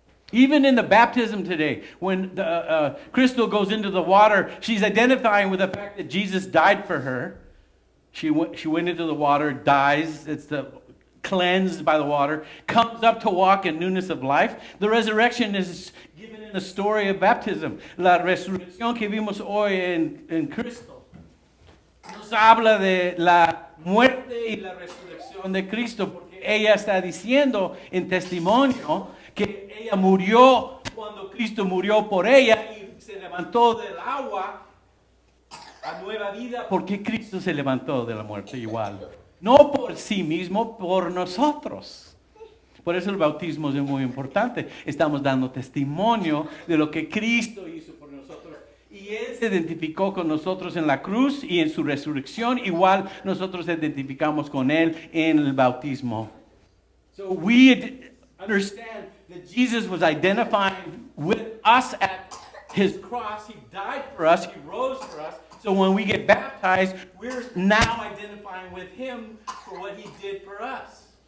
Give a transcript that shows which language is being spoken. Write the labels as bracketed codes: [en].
[en] Even in the baptism today, when the, Crystal goes into the water, she's identifying with the fact that Jesus died for her. She went into the water, dies, it's the cleansed by the water, comes up to walk in newness of life. The resurrection is given in the story of baptism. [es] La resurrección que vimos hoy en Cristo nos habla de la muerte y la resurrección de Cristo, porque ella está diciendo en testimonio que ella murió cuando Cristo murió por ella y se levantó del agua a nueva vida, porque Cristo se levantó de la muerte igual. No por sí mismo, por nosotros. Por eso el bautismo es muy importante. Estamos dando testimonio de lo que Cristo hizo por nosotros. Y Él se identificó con nosotros en la cruz y en su resurrección. Igual nosotros identificamos con Él en el bautismo. [en] So we understand that Jesus was identifying with us at His cross. He died for us. He rose for us. So when we get baptized, we're now identifying with Him for what He did for us.